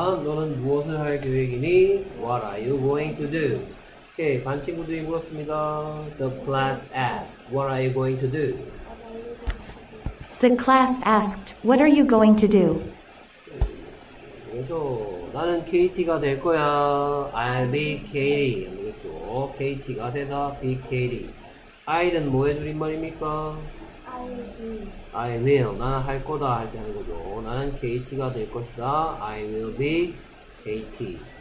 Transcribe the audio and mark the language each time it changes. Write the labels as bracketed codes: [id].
[ko] 너는 무엇을 할 계획이니? [en] What are you going to do? [ko] 오케이, 반 친구들이 물었습니다. [en] The class asked, What are you going to do? The class asked, What are you going to do? [ko] 그래서 나는 KT가 될 거야. [en] I'll be Katie. [ko] 그렇죠. KT가 되다. [en] Be Katie. [ko] I는 뭐의 줄임말입니까? [en] I will. I will. [ko] 나는 할 거다 할 때 하는 거죠. 나는 KT가 될 것이다. [en] I will be KT.